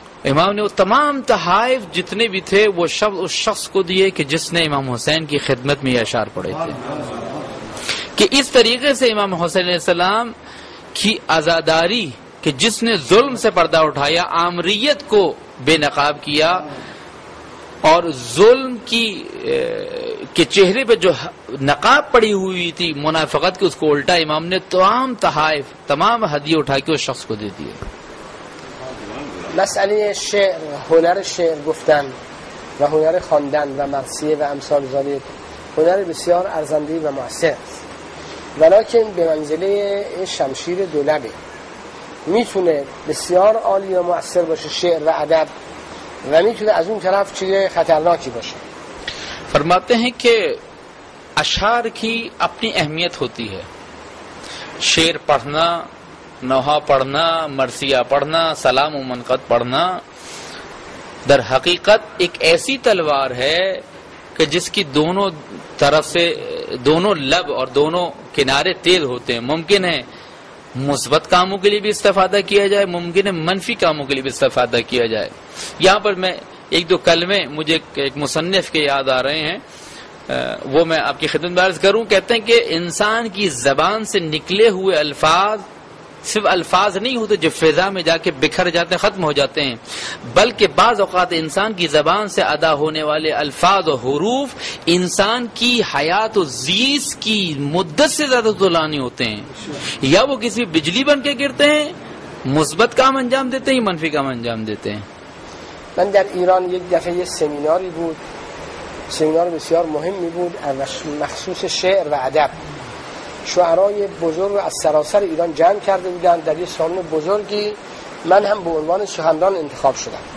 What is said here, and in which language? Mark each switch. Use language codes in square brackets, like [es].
[ur] امام نے وہ تمام تحائف جتنے بھی تھے وہ شب اس شخص کو دیے کہ جس نے امام حسین کی خدمت میں یہ اشعار پڑھے تھے, کہ اس طریقے سے امام حسین علیہ السلام کی عزاداری کہ جس نے ظلم سے پردہ اٹھایا عامریت کو بے نقاب کیا اور ظلم کی کے چہرے پہ جو نقاب پڑی ہوئی تھی منافقت کی اس کو الٹا, امام نے تمام تحائف تمام ہدیے اٹھا کے اس شخص کو دے دیے. [fa] مسئلے شعر, ہنر شعر گفتن و ہنر خواندن و مرثیه و امثال ذلک ہنر بسیار ارزنده و مؤثر است, ولیکن به منزله شمشیر دولبه, میتونه بسیار عالی و مؤثر باشه شعر و ادب و میتونه از اون طرف چیز خطرناکی باشه. [ur] فرماتے ہیں کہ اشعار کی اپنی اہمیت ہوتی ہے. شعر پڑھنا, نوحہ پڑھنا, مرثیہ پڑھنا, سلام و منقط پڑھنا در حقیقت ایک ایسی تلوار ہے کہ جس کی دونوں طرف سے دونوں لب اور دونوں کنارے تیز ہوتے ہیں. ممکن ہے مثبت کاموں کے لیے بھی استفادہ کیا جائے, ممکن ہے منفی کاموں کے لیے بھی استفادہ کیا جائے. یہاں پر میں ایک دو کلمے مجھے ایک مصنف کے یاد آ رہے ہیں, وہ میں آپ کی خدمت میں عرض کروں. کہتے ہیں کہ انسان کی زبان سے نکلے ہوئے الفاظ صرف الفاظ نہیں ہوتے جو فضا میں جا کے بکھر جاتے ہیں، ختم ہو جاتے ہیں، بلکہ بعض اوقات انسان کی زبان سے ادا ہونے والے الفاظ و حروف انسان کی حیات و زیست کی مدت سے زیادہ طولانی ہوتے ہیں، یا وہ کسی بجلی بن کے گرتے ہیں، مثبت کام انجام دیتے ہیں، منفی کام انجام دیتے ہیں. [fa] من در ایران یک دفعه یه سمیناری بود، سمینار بسیار مهمی بود، مخصوص شعر و ادب. شعرای بزرگ از سراسر ایران جمع کرده بودن در یه سالن بزرگی، من هم به عنوان سخنران انتخاب شدم.